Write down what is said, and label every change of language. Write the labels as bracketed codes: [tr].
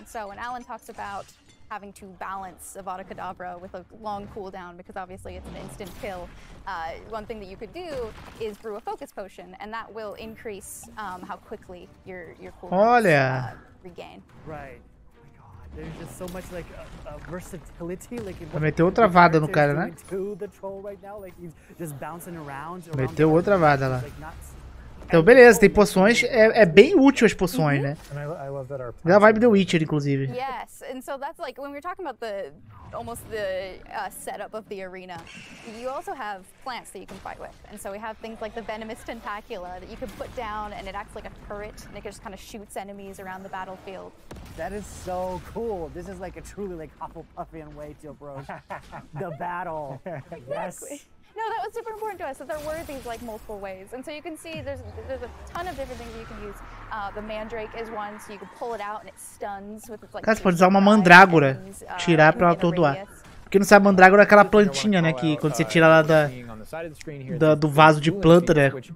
[en] So when Alan talks about having to balance Avada Kedavra with a long cooldown, because obviously it's an instant kill, one thing that you could do is brew a focus potion, and that will increase how quickly your cooldowns regain. Right. Oh my god. There's just so much like versatility. Like, [pt] meteu outra vada no cara, né? [en] To the troll right now, like he's just bouncing around. [pt] Meteu outra vada lá. Então, beleza, tem poções, é bem útil as poções, né? Da vibe do Witcher, inclusive. [en] Yes, and so that's like when we're talking about the almost the setup of the arena, you also have plants that you can fight with. And so we have things like the venomous tentacula that you can put down and it acts like a turret and it just kind of shoots enemies around the battlefield. That is so cool. This is like a truly like Hufflepuffian way to approach the battle. Yes. No, that was super important to us, that there were these like multiple ways. And so you can see there's a ton of different things you can use. The mandrake is one, so you can pull it out and it stuns with its like. [pt] Cara, você pode usar uma mandrágora, tirar pra ela atordoar. Quem não sabe, mandrágora é aquela plantinha, né? Que quando você tira ela do vaso de planta, né?